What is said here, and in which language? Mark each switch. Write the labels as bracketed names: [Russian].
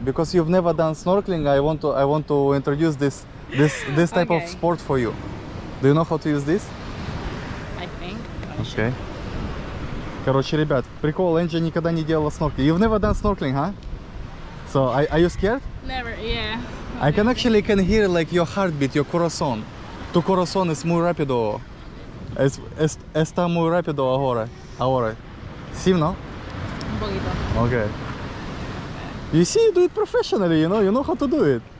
[English] Because you've never done snorkeling, I want to introduce this type of sport for you. Do you know how to use this? I think. Okay. [Russian] Короче, ребят, прикол, Энджи никогда не делала снорклинг. [English] You've never done snorkeling, huh? So, are you scared? Never, yeah. I can actually can hear like your heartbeat, your corazón. [Spanish] Tu corazón es muy rápido. Está muy rápido ahora. Ahora. Sim, no? Okay. [English] You see, you do it professionally, you know how to do it.